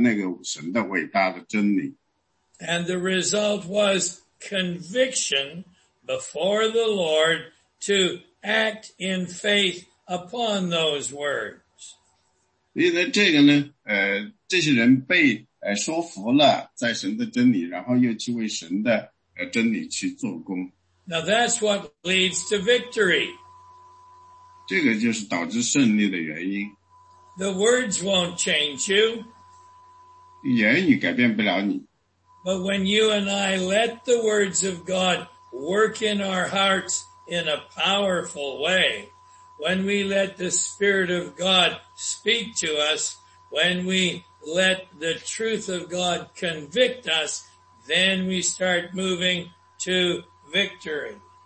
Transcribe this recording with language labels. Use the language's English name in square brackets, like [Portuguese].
[Chinese] 圣灵也在那里解释那个神的伟大的真理。 [English] And the result was conviction before the Lord to act in faith upon those words. [Chinese] 所以呢，这个呢，这些人被说服了，在神的真理，然后又去为神的真理去做工。 [English] Now that's what leads to victory. [Chinese] 这个就是导致胜利的原因。 [English] The words won't change you. [Chinese] 言语改变不了你。 [English] But when you and I let the words of God work in our hearts in a powerful way, when we let the Spirit of God speak to us, when we let the truth of God convict us, then we start moving to victory.